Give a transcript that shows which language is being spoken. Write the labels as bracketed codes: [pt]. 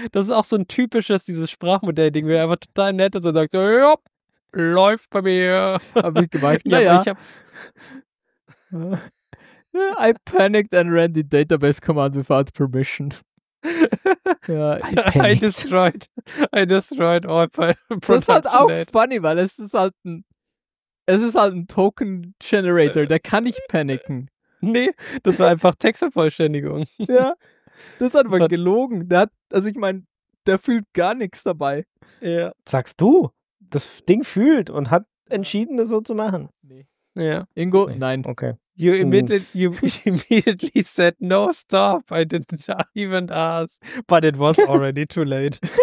[de] Das ist auch so ein typisches, dieses Sprachmodell-Ding, wo er einfach total nett ist und sagt so, jop, läuft bei mir. Hab ich gemeint? Ja. [en] I panicked and ran the database command without permission. Ja, I destroyed all production. [de] Das ist halt auch funny, weil es ist halt ein Token Generator, der kann nicht paniken. Nee, das war einfach Textvervollständigung. Ja, das hat man gelogen. Der fühlt gar nichts dabei. Ja. Sagst du, das Ding fühlt und hat entschieden, das so zu machen. Nee. Ja. Ingo, nee. Nein. Okay. [en] You immediately said, no, stop, I didn't even ask, but it was already too late.